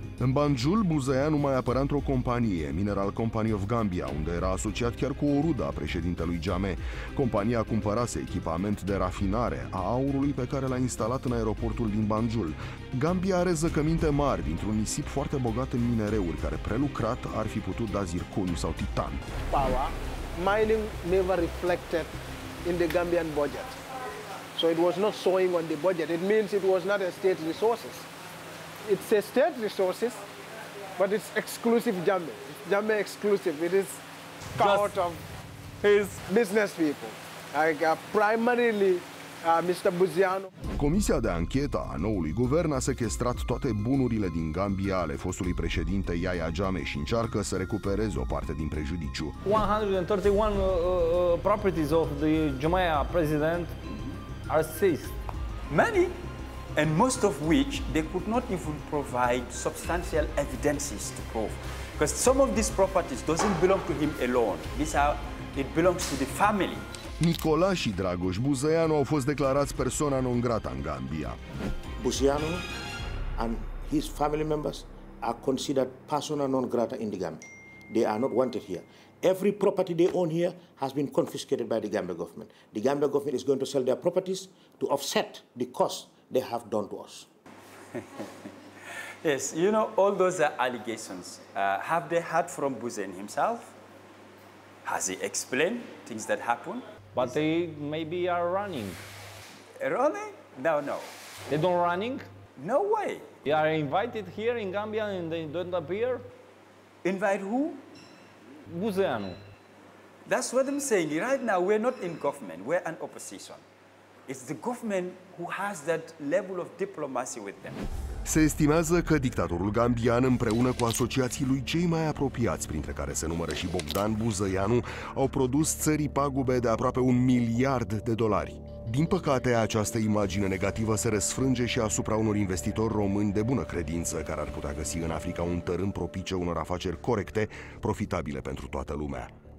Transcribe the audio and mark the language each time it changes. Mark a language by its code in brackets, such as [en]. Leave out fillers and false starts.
[ro] În Banjul, Buzăianu mai apărea într-o companie, Mineral Company of Gambia, unde era asociat chiar cu o rudă a președintelui Jame. Compania cumpărase echipament de rafinare a aurului pe care l-a instalat în aeroportul din Banjul. Gambia are zăcăminte mari dintr-un nisip foarte bogat în minereuri, care prelucrat ar fi putut da zirconiu sau titan. [en] Power, mining never reflected in the Gambian budget. So it was not showing on the budget. It means it was not a state resources. It's a state resources, but it's exclusive Jambi. Jambi exclusive. It is out of his business people. Like primarily Mr. Buzăianu. [ro] Comisia de anchetă a noului guvern a sequestrat toate bunurile din Gambia ale fostului președinte Yahya Jammeh și încearcă să recupereze o parte din prejudiciu. [en] 131 properties of the Jammeh president are seized. Many? And most of which they could not even provide substantial evidences to prove, because some of these properties doesn't belong to him alone. It belongs to the family. [ro] Nicola și Dragoș Buzăianu au fost declarați persona non grata în Gambia. [en] Buzăianu and his family members are considered persona non grata in the Gambia. They are not wanted here. Every property they own here has been confiscated by the Gambia government. The Gambia government is going to sell their properties to offset the cost they have done to us. Yes, you know, all those are allegations. Have they heard from Buzen himself? Has he explained things that happened? But they maybe are running. Running? No, no. They don't running? No way. They are invited here in Gambia and they don't appear? Invite who? Buzenu. That's what I'm saying. Right now, we're not in government. We're an opposition. It's the government who has that level of diplomacy with them. [ro] Se estimează că dictatorul gambian, împreună cu asociații lui cei mai apropiați, printre care se numără și Bogdan Buzăianu, au produs țării pagube de aproape un miliard de dolari. Din păcate, această imagine negativă se răsfrânge și asupra unor investitori români de bună credință, care ar putea găsi în Africa un tărâm propice unor afaceri corecte, profitabile pentru toată lumea.